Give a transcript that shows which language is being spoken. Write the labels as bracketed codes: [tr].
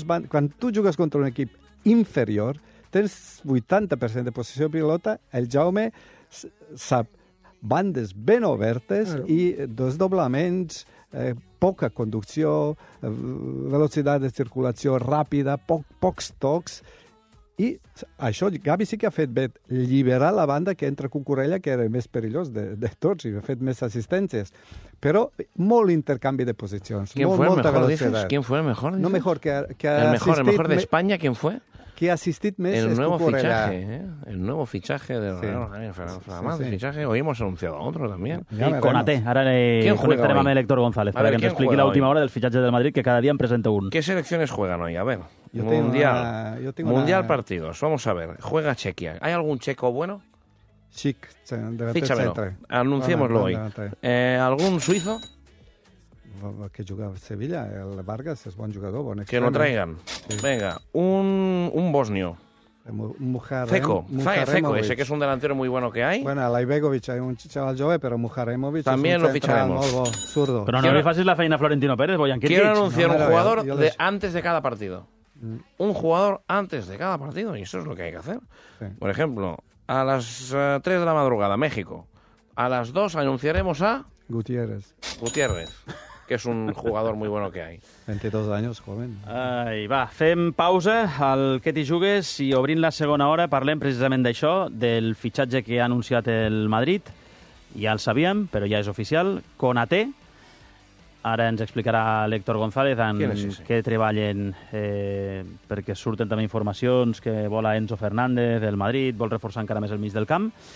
[ca] Quan tu jugues contra un equip inferior, tens 80% de possessió de pilota, el Jaume sap bandes ben obertes i desdoblaments, poca conducció, velocitat de circulació ràpida, pocs tocs, i això Gavi sí que ha fet bé, alliberar la banda que entra Cucurella, que era més perillós de tots, i ha fet més assistències. Però molt intercanvi de posicions. [es] ¿Quién fue el mejor? No, mejor que el mejor, el mejor de España, ¿quién fue? [ca] Que ha assistit més [es] el nuevo fichaje, el nuevo fichaje del fichaje, hoy hemos anunciado otro también. [ca] Conate, ara conectarem amb Héctor González [es] para que [ca] ens expliqui l'última hora del fitxatge del Madrid, que cada dia en presenta un. [es] ¿Qué selecciones juegan hoy? A ver, Mundial partidos, vamos a ver, juega Chequia. ¿Hay algún checo bueno? Chic, fíchamelo, anunciémoslo hoy. ¿Algún suizo? [ca] Que juga a Sevilla, el Vargas és bon jugador, bon extrem. [es] Que no traigan. Sí. Venga, un bosnio. Feco, ese que es un delantero muy bueno que hay. Bueno, Laibegovic es un chaval joven, pero Mujaremovic también es lo ficharemos. Zurdo. [ca] Pero no le fases la feina a Florentino Pérez, Bojan Krkić. [es] Quiero anunciar un jugador de antes de cada partido. Un jugador antes de cada partido, y eso es lo que hay que hacer. Sí. Por ejemplo, a las 3 de la madrugada, México. A las 2 anunciaremos a... Gutiérrez. [ca] Que és un jugador molt bueno que hi ha. [es] 22 anys, joven. [ca] Ai, va, fem pausa al Que t'hi jugues i obrint la segona hora parlem precisament d'això, del fitxatge que ha anunciat el Madrid. Ja el sabíem, però ja és oficial. Konaté. Ara ens explicarà l'Héctor González en què treballen, perquè surten també informacions que vol a Enzo Fernández del Madrid, vol reforçar encara més el mig del camp.